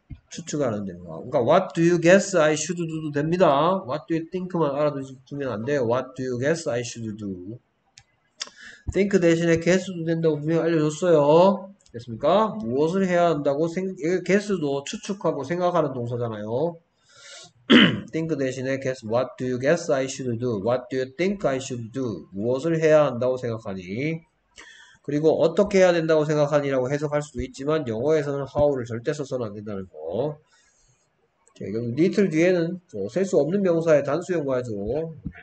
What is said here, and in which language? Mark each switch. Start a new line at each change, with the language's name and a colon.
Korean: 추측하는 동사. 그러니까
English: What do you guess I should do도 됩니다. What do you think만
Korean: 알아두면 안 돼요.
English: What do you guess I should do?
Korean: Think 대신에 guess도 된다고 분명 알려줬어요. 됐습니까? 무엇을 해야 한다고 guess도 추측하고 생각하는 동사잖아요.
English: think 대신에 guess, what do you guess I should do? What do you think I should do?
Korean: 무엇을 해야 한다고 생각하니? 그리고 어떻게 해야 된다고 생각하니라고 해석할 수도 있지만 영어에서는 how를 절대 써서는 안 된다는 거. 여기 little 뒤에는 셀수 없는 명사의 단수형 과죠.